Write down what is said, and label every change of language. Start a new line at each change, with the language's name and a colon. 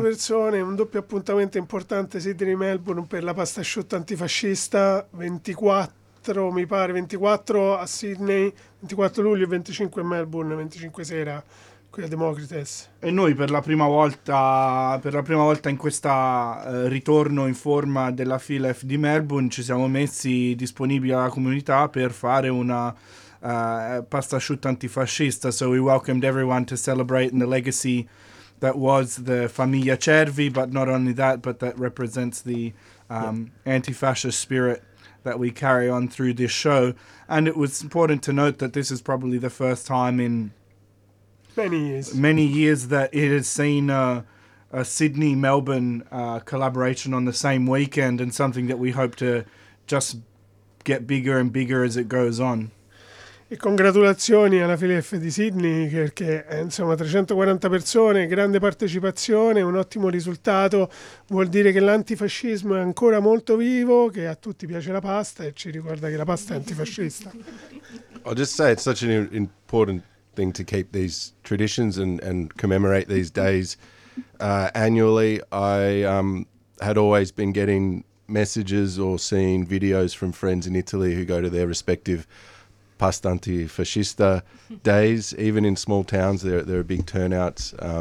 Italian: persone, un doppio appuntamento importante Sydney-Melbourne per la pasta asciutta antifascista, 24 mi pare, 24 a Sydney, 24 luglio e 25 a Melbourne, 25 sera qui a Democrites. E noi per la prima volta in questa ritorno in forma della Filef di Melbourne ci siamo messi disponibili alla comunità per fare una... pasta asciutta antifascista,
English: so we welcomed everyone to celebrate in the legacy that was the Famiglia Cervi, but not only that, but that represents the anti-fascist spirit that we carry on through this show. And it was important to note that this is probably the first time in many years that it has seen a Sydney-Melbourne collaboration on the same weekend, and something that we hope to just get bigger and bigger as it goes on.
Italian: E congratulazioni alla Filef di Sydney, perché insomma 340 persone, grande partecipazione, un ottimo risultato, vuol dire che l'antifascismo è ancora molto vivo, che a tutti piace la pasta e ci ricorda che la pasta è antifascista.
English: I'll just say it's such an important thing to keep these traditions and commemorate these days annually. I had always been getting messages or seeing videos from friends in Italy who go to their respective past antifascista days, even in small towns, there are big turnouts.